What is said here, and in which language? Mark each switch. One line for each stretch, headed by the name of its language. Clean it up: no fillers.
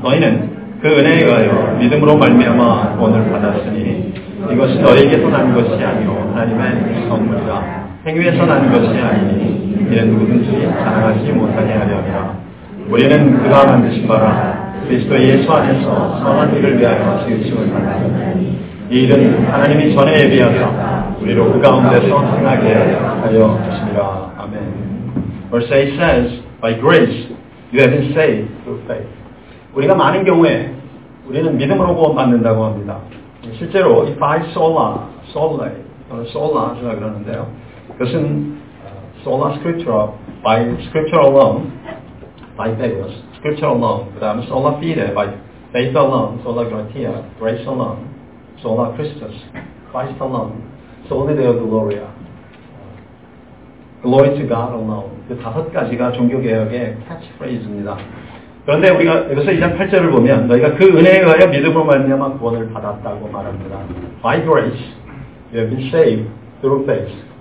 Korean: 너희는 그 은혜에 의하여 믿음으로 말미암아 구원을 받았으니 이것이 너희에게서 난 것이 아니오 하나님의 선물이라 행위에서 난 것이 아니니 이는 누구든지 자랑하지 못하게 하려니라. 우리는 그가 만드신 바라 그리스도 예수 안에서 선한 일을 위하여 지으심을 받았으니 이 일은 하나님이 전에 예비하사 우리로 그 가운데서 행하게 하려 하십니다. 아멘.
English: Verse 8 says, By grace you have been saved through faith.
Korean: 우리가 많은 경우에 우리는 믿음으로 구원받는다고 합니다. 실제로 이
English: by sola, sole, sola
Korean: 제가 그러는데요. 그것은
English: sola scriptura, by scripture alone, by faith, scripture alone,
Korean: 그 다음
English: sola fide, by faith alone, sola gratia, grace alone, sola Christus, Christ alone, soli deo gloria, glory to God alone.
Korean: 그 다섯 가지가 종교개혁의 catchphrase입니다. 그런데 우리가 여기서 2장 8절을 보면 너희가 그 은혜에 의하여 믿음으로 말미암아 구원을 받았다고 말합니다.
English: By grace, you have been saved through faith.